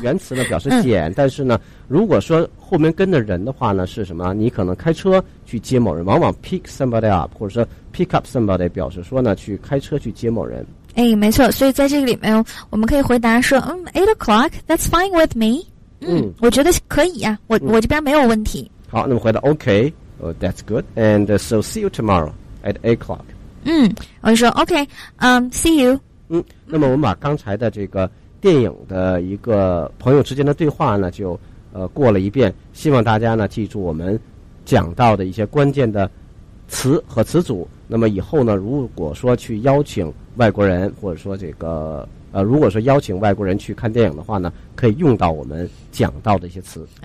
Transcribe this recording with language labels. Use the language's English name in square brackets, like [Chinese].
[Chinese] 原词呢表示捡、嗯，但是呢，如果说后面跟的人的话呢是什么？你可能开车去接某人，往往 [English] pick somebody up [Chinese] 或者说。 [English] Pick up somebody [Chinese] 表示说呢，去开车去接某人。哎，没错，所以在这个里面，我们可以回答说，嗯 ， [English] eight o'clock， that's fine with me 嗯。嗯， [Chinese] 我觉得可以呀、啊，我这边没有问题。好，那么回答 [English] OK， that's good， and so see you tomorrow at 8 o'clock。 [Chinese] 嗯，我就说 [English] OK， see you。 [Chinese] 嗯，那么我们把刚才的这个电影的一个朋友之间的对话呢，就过了一遍，希望大家呢记住我们讲到的一些关键的词和词组。那么以后呢，如果说去邀请外国人，或者说这个如果说邀请外国人去看电影的话呢，可以用到我们讲到的一些词。